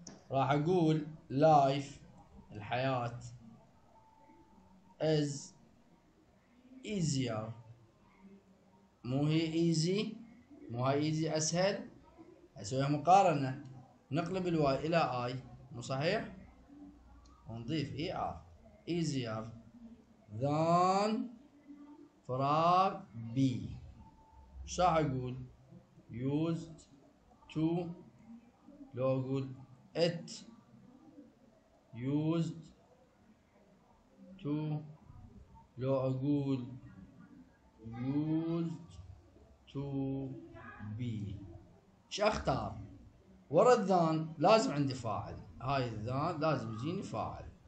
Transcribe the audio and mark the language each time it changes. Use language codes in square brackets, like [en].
[ar] راح أقول life الحياة [en] is easier. [ar] مو هي easy؟ مو هي easy أسهل؟ أسويها مقارنة. نقلب الواي إلى I، مو صحيح؟ ونضيف ER. [en] easier than فراغ B. [ar] شا أقول used to، لو أقول [en] it used to، [ar] لو أقول [en] used to be، [ar] شا أختار؟ ورا الذان لازم عندي فاعل، هاي الذان لازم يجيني فاعل.